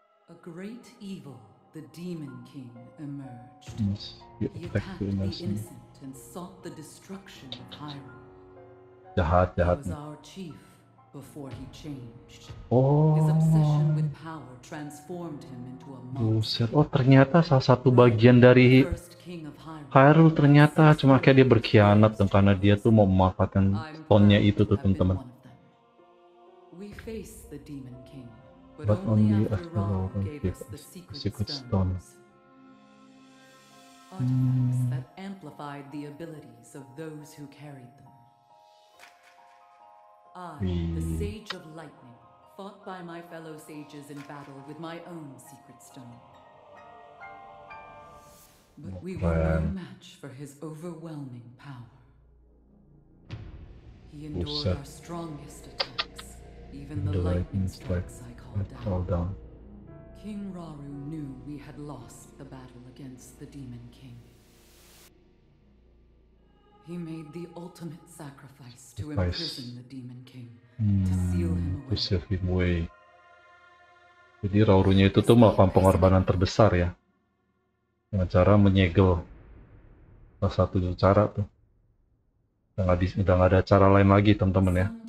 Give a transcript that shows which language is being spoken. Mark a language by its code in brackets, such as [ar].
[en] A great evil, the Demon King, emerged. He attacked the innocent and sought the destruction of Hyrule. [id] Jahat, jahat. [en] He was our chief before he changed. Oh. His obsession with power transformed him into a monster. [id] Oh, ternyata salah satu bagian dari Hyrule ternyata cuma kayak dia berkhianat dan karena dia tuh mau memanfaatkan stone-nya itu tuh teman-teman. [en] We face the Demon King, but only after Rock gave us the secret stone. Artifacts that amplified the abilities of those who carried them. I, the Sage of Lightning, fought by my fellow sages in battle with my own secret stone. But we were no match for his overwhelming power. He endured our strongest attacks, even the lightning strikes I called down. King Rauru knew we had lost the battle against the Demon King. He made the ultimate sacrifice to imprison the Demon King, to seal him away. [id] Jadi Raurunya itu tuh melakukan pengorbanan terbesar ya, dengan cara menyegel. Salah satu cara tuh. Udah gak ada cara lain lagi teman-teman ya.